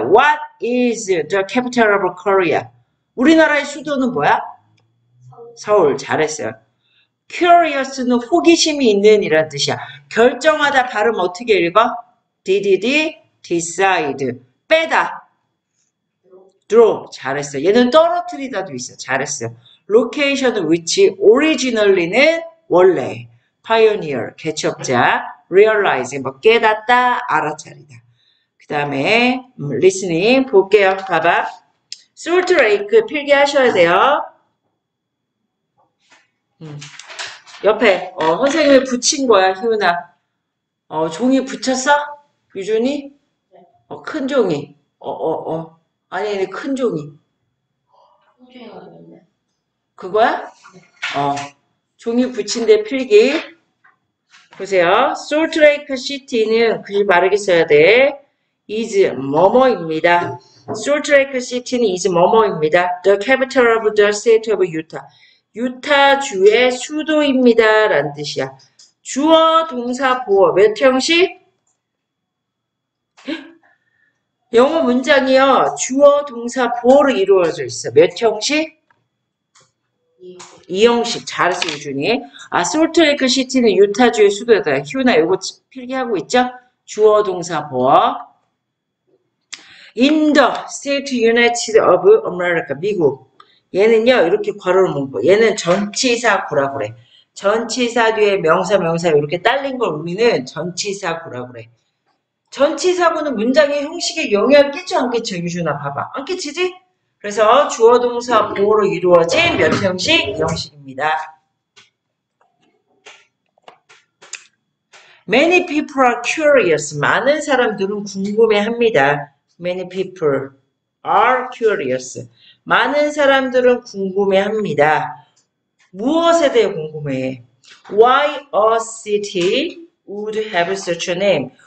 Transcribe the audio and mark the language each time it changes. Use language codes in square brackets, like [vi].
[en] What is the capital of Korea? [ko] 우리나라의 수도는 뭐야? 서울. 잘했어요. Curious는 호기심이 있는 이란 뜻이야. 결정하다 발음 어떻게 읽어? [en] DDD, decide. 빼다. draw. 잘했어. [ko] 얘는 떨어뜨리다도 있어. 잘했어. Location은 위치. Originally는 원래. Pioneer. 개척자. Realize. 뭐 깨닫다, 알아차리다. 그 다음에 리스닝 볼게요. 봐봐. 솔트 레이크 필기하셔야 돼요. 옆에 선생님이 붙인 거야. 희훈아. 종이 붙였어? 유준이? 큰 종이. 아니, 큰 종이. 그거야? 종이 붙인 데 필기. 보세요. 솔트 레이크 시티는 글씨 바르게 써야 돼. is 뭐뭐입니다. [en] Salt Lake City는 is [ko] 뭐뭐입니다. [en] The capital of the state of Utah. [ko] 유타 주의 수도입니다. 라는 뜻이야. 주어, 동사, 보어. 몇 형식? 영어 문장이요. 주어, 동사, 보어로 이루어져 있어. 몇 형식? 이 형식. 잘했어, 유준이. 아, Salt Lake City는 유타 주의 수도다. 휴나, 이거 필기하고 있죠? 주어, 동사, 보어. [en] In the state United of America, 미국. [ko] 얘는요, 이렇게 괄호를 묶고, 얘는 전치사구라고 그래. 전치사 뒤에 명사, 명사, 이렇게 딸린 걸 우리는 전치사구라고 그래. 전치사구는 문장의 형식에 영향 끼쳐, 안 끼쳐, 유준아, 봐봐. 안 끼치지? 그래서 주어, 동사, 보어로 이루어진 몇 형식? 형식입니다. [en] Many people are curious. [ko] 많은 사람들은 궁금해 합니다. [en] Many people are curious. [ko] 많은 사람들은 궁금해합니다. 무엇에 대해 궁금해해? [en] Why a city would have such a name?